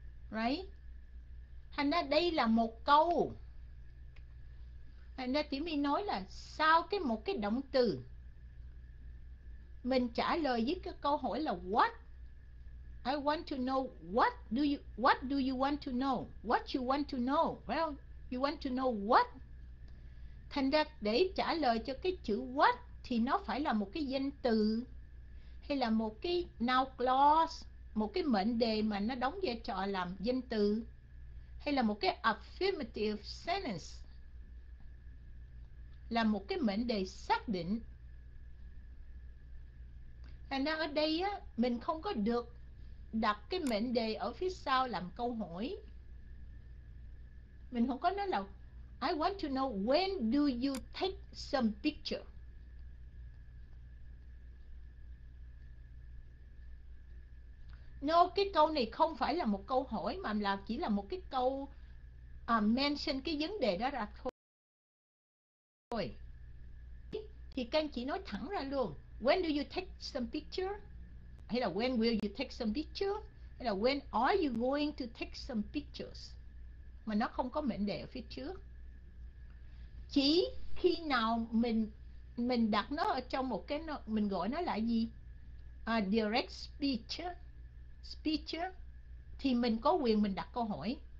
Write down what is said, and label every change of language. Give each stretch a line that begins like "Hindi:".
Vietnamese: Right. Thành ra đây là một câu. Thành ra Tiểu My nói là sau cái một cái động từ, mình trả lời với cái câu hỏi là what.
English: I want to know what do you want to know? What you want to know? Well, you want to know what?
Vietnamese: Thành ra để trả lời cho cái chữ what thì nó phải là một cái danh từ hay là một cái noun clause, một cái mệnh đề mà nó đóng vai trò làm danh từ, hay là một cái affirmative sentence, là một cái mệnh đề xác định. Thành ra ở đây á, mình không có được đặt cái mệnh đề ở phía sau làm câu hỏi. Mình không có nói là
English: I want to know when do you take some picture.
Vietnamese: No, cái câu này không phải là một câu hỏi mà là chỉ là một cái câu mention cái vấn đề đó ra thôi. Thì các anh chị nói thẳng ra luôn.
English: When do you take some picture?
Vietnamese: Hay là
English: when will you take some picture? Hay là when are you going to take some pictures?
Vietnamese: Mà nó không có mệnh đề ở phía trước. Chỉ khi nào mình đặt nó ở trong một cái nó, mình gọi nó là gì? Direct speech. Speech thì mình có quyền mình đặt câu hỏi.